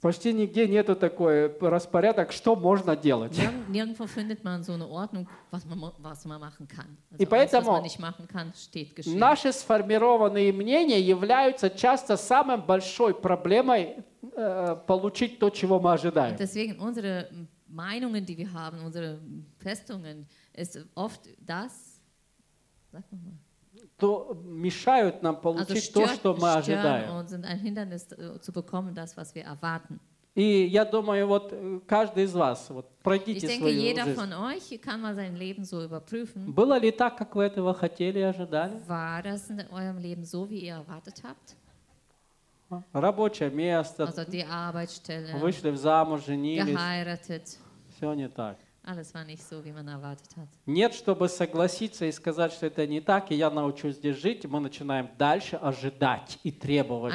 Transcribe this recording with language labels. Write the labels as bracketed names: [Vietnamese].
[Russian] Почти нигде нету такой распорядок, что можно делать. [German] Nirgendwo findet man so eine Ordnung, was man machen kann. [Russian] Also, и поэтому [German] was man nicht machen kann, steht geschrieben. [Russian] Наши сформированные мнения являются часто самой большой проблемой получить то, чего мы ожидаем. [German] Und deswegen unsere Meinungen, die wir haben, unsere Festungen, ist oft das, sag mal, [Russian] то мешают нам получить [German] also stört, [Russian] то, что мы ожидаем. [German] Und sind ein Hindernis zu bekommen, das, was wir erwarten. [Russian] И я думаю, вот каждый из вас, вот пройдите свою жизнь. [German] Ich denke, jeder [Russian] жизнь. [German] Von euch kann mal sein Leben so überprüfen. [Russian] Было ли так, как вы этого хотели и ожидали? [German] War das in eurem Leben so, wie ihr erwartet habt? [Russian] Рабочее место. [German] Also die Arbeitsstelle. [Russian] Вышли замуж, женились. [German] Geheiratet. [Russian] Все не так. [German] Alles war nicht so, wie man erwartet hat. [Russian] Нет, чтобы согласиться и сказать, что это не так, и я научусь здесь жить, мы начинаем дальше ожидать и требовать,